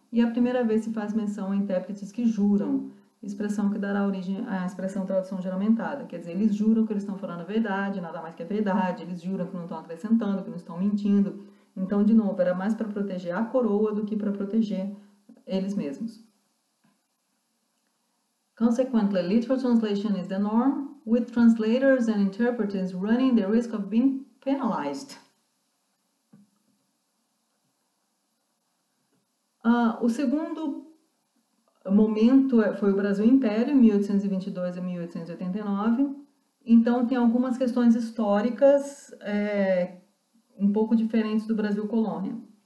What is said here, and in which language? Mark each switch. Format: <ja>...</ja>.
<pt>E a primeira vez se faz menção a intérpretes que juram, expressão que dará origem à expressão tradução geramentada. Quer dizer, eles juram que eles estão falando a verdade, nada mais que a verdade, eles juram que não estão acrescentando, que não estão mentindo. Então, de novo, era mais para proteger a coroa do que para proteger eles mesmos.</pt> <en>Consequently, literal translation is the norm, with translators and interpreters running the risk of being penalized.</en> <pt>O segundo momento foi o Brasil Império, 1822 a 1889. Então, tem algumas questões históricas um pouco diferentes do Brasil colônia.</pt>